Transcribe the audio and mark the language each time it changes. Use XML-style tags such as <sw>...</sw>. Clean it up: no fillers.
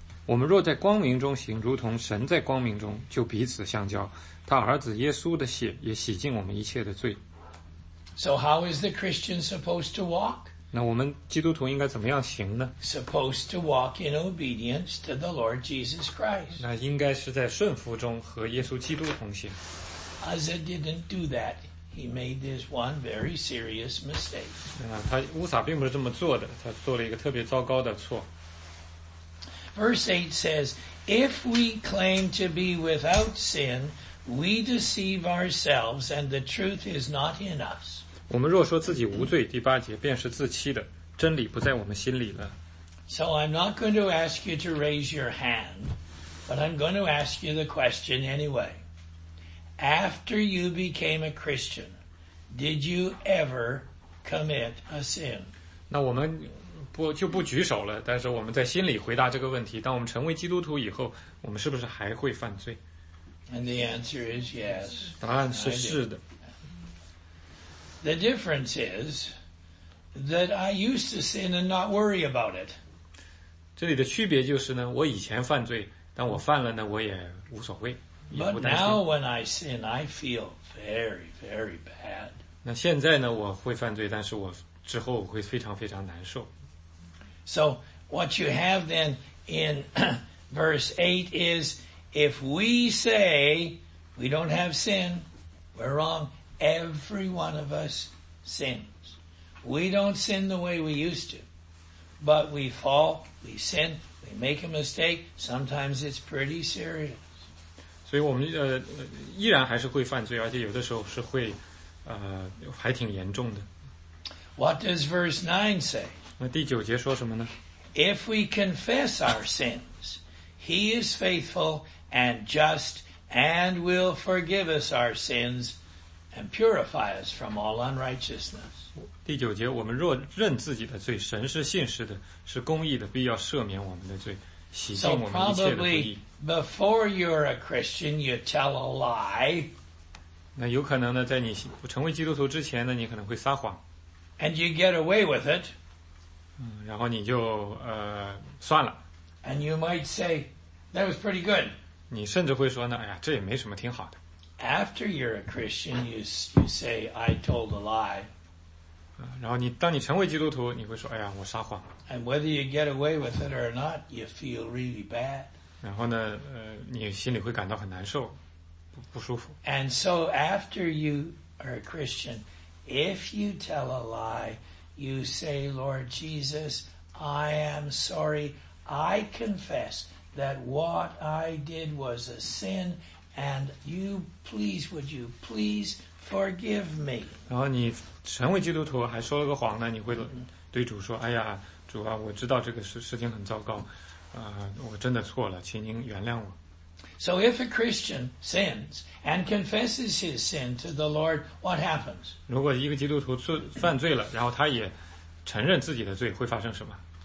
<zh>我们若在光明中行，如同神在光明中，就彼此相交。他儿子耶稣的血也洗净我们一切的罪。</zh> <en>So how is the Christian supposed to walk?</en> <zh>那我们基督徒应该怎么样行呢？</zh> <en>Supposed to walk in obedience to the Lord Jesus Christ.</en> <zh>那应该是在顺服中和耶稣基督同行。</zh> <en>Uzzah didn't do that. He made this one very serious mistake.</en> <zh>他乌撒并不是这么做的，他做了一个特别糟糕的错。</zh> <en>Verse 8 says, If we claim to be without sin, we deceive ourselves and the truth is not in us.</en> <zh>我们若说自己无罪，第八节便是自欺的，真理不在我们心里了。</zh> <en>So I'm not going to ask you to raise your hand, but I'm going to ask you the question anyway. After you became a Christian, did you ever commit a sin?</en> <zh>那我们不就不举手了，但是我们在心里回答这个问题，当我们成为基督徒以后，我们是不是还会犯罪？</zh> <en>And the answer is yes.</en> <zh>答案是是的。</zh> <en>The difference is that I used to sin and not worry about it.</en> <zh>这里的区别就是呢，我以前犯罪，但我犯了呢，我也无所谓，也不担心。</zh> <en>But now when I sin, I feel very, very bad.</en> <zh>那现在呢，我会犯罪，但是我之后我会非常非常难受。</zh> <en>So what you have then in verse 8 is, if we say we don't have sin, we're wrong. Every one of us sins. We don't sin the way we used to, but we fall, we sin, we make a mistake. Sometimes it's pretty serious.</en> <zh>所以我们依然还是会犯罪，而且有的时候是会还挺严重的。</zh> <en>What does verse 9 say?</en> <zh>那第九节说什么呢？</zh> <en>If we confess our sins, he is faithful and just and will forgive us our sins. And purify us from all unrighteousness.</en> <zh>第九节，我们若认自己的罪，神是信实的，是公义的，必要赦免我们的罪，洗净我们一切的不义。</zh> <en>So probably before you're a Christian, you tell a lie.</en> <zh>那有可能呢，在你成为基督徒之前呢，你可能会撒谎。</zh> <en>And you get away with it.</en> <zh>然后你就算了。</zh> <en>And you might say that was pretty good.</en> <zh>你甚至会说呢，哎呀，这也没什么，挺好的。</zh> <en>After you're a Christian, you say, I told a lie.</en> <zh>然后你当你成为基督徒，你会说，哎呀，我撒谎。</zh> <en>And whether you get away with it or not, you feel really bad.</en> <zh>然后呢，你心里会感到很难受，不舒服。</zh> <en>And so after you are a Christian, if you tell a lie, you say, Lord Jesus, I am sorry. I confess that what I did was a sin. And you, please, would you please forgive me?</en> <zh>然后你成为基督徒还说了个谎呢，你会对主说：“哎呀，主啊，我知道这个事情很糟糕，我真的错了，请您原谅我。”</zh> <en>So if a Christian sins and confesses his sin to the Lord, what happens?</en> <zh>如果一个基督徒犯罪了，然后他也承认自己的罪，会发生什么？</zh>